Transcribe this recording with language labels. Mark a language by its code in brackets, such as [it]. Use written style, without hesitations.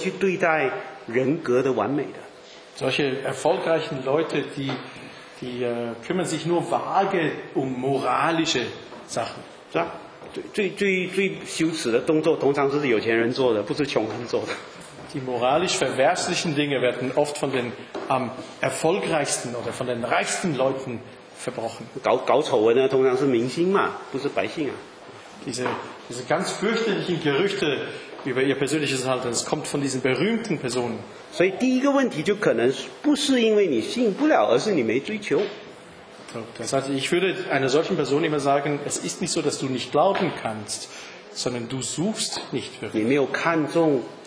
[zh] 他们会很马虎的去对待人格的完美的。 [de] Solche erfolgreichen Leute, die kümmern sich nur vage um moralische Sachen. [zh] Ja, 最羞耻的动作通常是有钱人做的，不是穷人做的。 [de] Die moralisch verwerflichen Dinge werden oft von den am erfolgreichsten oder von den reichsten Leuten verbrochen. [zh] 搞丑闻的通常是明星嘛，不是百姓啊。 [de] Diese ganz fürchterlichen Gerüchte über ihr persönliches Verhalten, es kommt von diesen berühmten Personen. [zh] 所以第一个问题就可能不是因为你信不了，而是你没追求。 [de] Das heißt, ich würde einer solchen Person immer sagen, es ist nicht so, dass du nicht glauben kannst, sondern du suchst nicht wirklich.